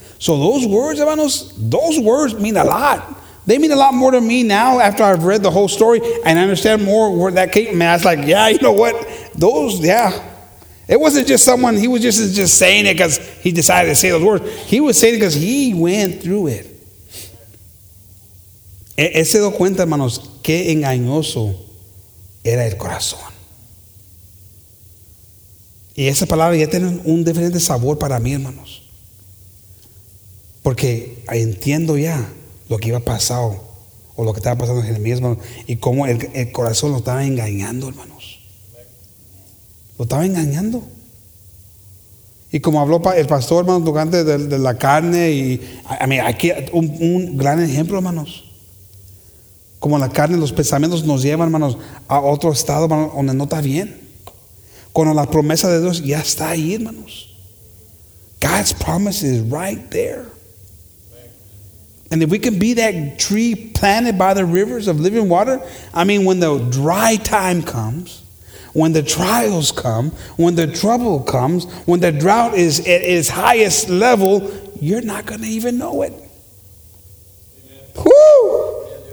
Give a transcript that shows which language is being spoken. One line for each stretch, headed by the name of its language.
English: So those words, hermanos, those words mean a lot. They mean a lot more to me now after I've read the whole story and I understand more where that came. Man, I was like, yeah, you know what? Those, yeah. It wasn't just someone, he was just saying it because he decided to say those words. He was saying it because he went through it.
Spanish: Él se dio cuenta, hermanos, qué engañoso era el corazón. Y esa palabra ya tiene un diferente sabor para mí, hermanos. Porque entiendo ya lo que iba a pasar o lo que estaba pasando en Jeremías, hermanos, y cómo el corazón lo estaba engañando, hermanos. Lo estaba engañando. Y como habló el pastor, hermanos, durante de la carne, y a mí, aquí un gran ejemplo, hermanos. Como la carne, los pensamientos nos llevan, hermanos, a otro estado, hermanos, donde no está bien. Cuando la promesa de Dios ya está ahí, hermanos.
English: God's promise is right there. And if we can be that tree planted by the rivers of living water, I mean, when the dry time comes, when the trials come, when the trouble comes, when the drought is at its highest level, you're not going to even know it. Amen. Woo!